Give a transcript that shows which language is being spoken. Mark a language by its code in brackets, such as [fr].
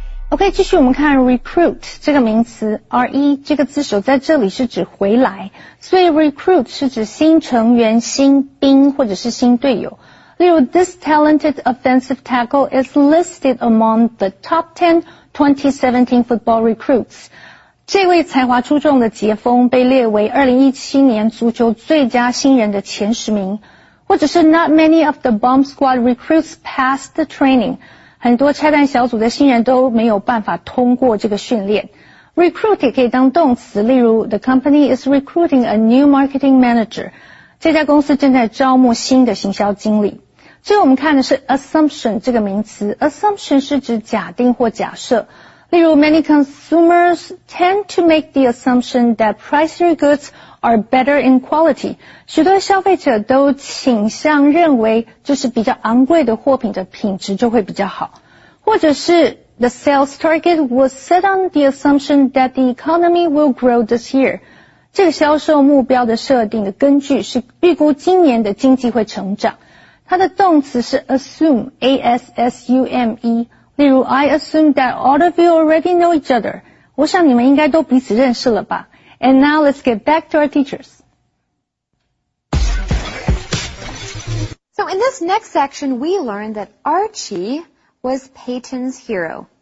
[zh] OK, 继续我们看 recruit 这个名词 RE 这个字首在这里是指回来所以 recruit 是指新成员新兵或者是新队友例如 [en] This talented offensive tackle is listed among the top 10 2017 football recruits [zh] 这位才华出众的杰锋被列为2017年足球最佳新人的前十名或者是 [en] Not many of the bomb squad recruits passed the training [zh] 很多拆弹小组的新人都没有办法通过这个训练。 [en] Recruit [zh] 也可以当动词，例如 [en] The company is recruiting a new marketing manager. [zh] 这家公司正在招募新的行销经理。最后我们看的是 assumption 这个名词。Assumption 是指假定或假设。例如, [en] many consumers tend to make the assumption that pricier goods are better in quality. [zh] 许多消费者都倾向认为就是比较昂贵的货品的品质就会比较好。或者是, [en] the sales target was set on the assumption that the economy will grow this year. [zh] 这个销售目标的设定的根据是预估今年的经济会成长。它的动词是assume, A-S-S-U-M-E。例如, [en] I assume that all of you already know each other. [zh] 我想你们应该都彼此认识了吧。 [en] And now let's get back to our teachers. So in this next section, we learned that Archie was Peyton's hero.